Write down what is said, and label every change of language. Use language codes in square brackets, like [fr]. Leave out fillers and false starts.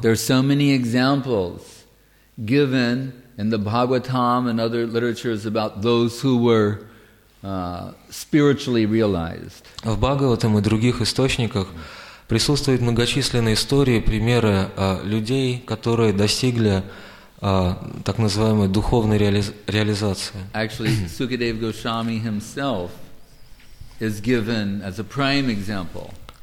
[en] There are so many examples given in the Bhagavatam and other literatures about those who were spiritually realized. [ru] В Бхагаватам и других источниках присутствуют многочисленные истории, примеры людей, которые достигли так называемой духовной реализации. [en] Actually, Sukadeva Goswami himself is given as a prime example.